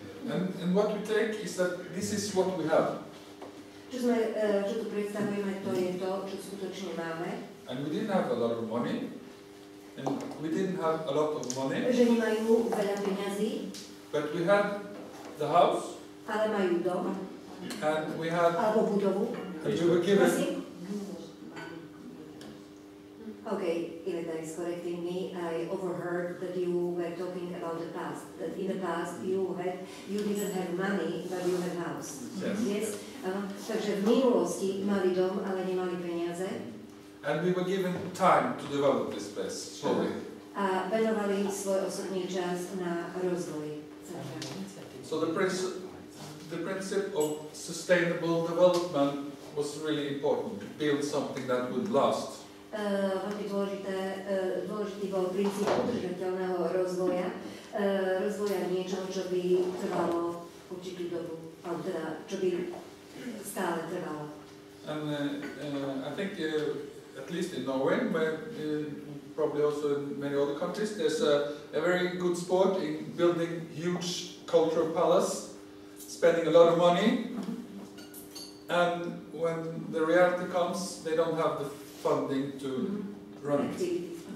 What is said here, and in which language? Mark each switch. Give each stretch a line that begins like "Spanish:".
English: And what we take is that this is what we have.
Slovak: Čo tu predstavujeme, to je to, čo skutočne máme.
English: And we didn't have a lot of money. And we didn't have a lot of money.
Slovak: Že nemajú veľa peňazí.
English: But we had the house.
Slovak: Ale majú dom.
English: And we had
Slovak: alebo budovu.
English: And we were given. Okay, Ileta is correcting me. I overheard that you were talking about the past. That in the past you didn't have money, but you had a house. Yes.
Slovak: Takže v minulosti mali dom, ale nemali peniaze.
English: And we were given time to develop this place slowly.
Slovak: A venovali svoj osobný čas na rozvoj.
English: So the princip of sustainable development was really important to build something that would last.
Slovak: Dôležitý bol princíp udržateľného rozvoja, rozvoja niečoho, čo by trvalo určitú dobu, alebo teda, čo by stále trvalo.
English: And I think at least in Norway, but probably also in many other countries, there's a very good sport in building huge cultural palace, spending a lot of money, and when the reality comes, they don't have the funding to run it.